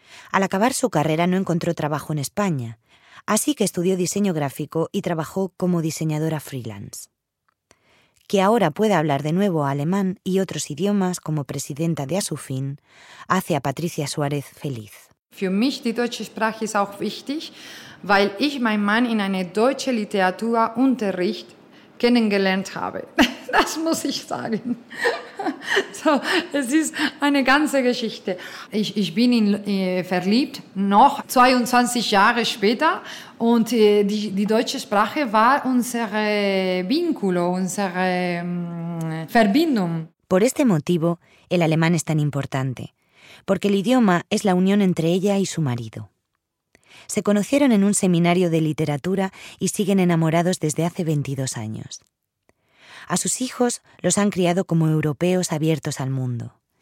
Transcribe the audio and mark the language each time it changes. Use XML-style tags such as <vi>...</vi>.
<es>Al acabar su carrera no encontró trabajo en España, así que estudió diseño gráfico y trabajó como diseñadora freelance. Que ahora pueda hablar de nuevo alemán y otros idiomas como presidenta de ASUFIN hace a Patricia Suárez feliz.</es> <de>Für mich die deutsche Sprache ist auch wichtig, weil ich meinen Mann in eine deutsche Literaturunterricht kennengelernt habe. Das muss ich sagen. So, es ist eine ganze Geschichte. Ich bin in verliebt, noch 22 Jahre später. Und die deutsche Sprache war unsere Vinculo, unsere Verbindung.</de> <es>Por este motivo, el alemán es tan importante. Porque el idioma es la unión entre ella y su marido. Se conocieron en un seminario de literatura y siguen enamorados desde hace 22 años. A sus hijos los han criado como europeos abiertos al mundo.</es>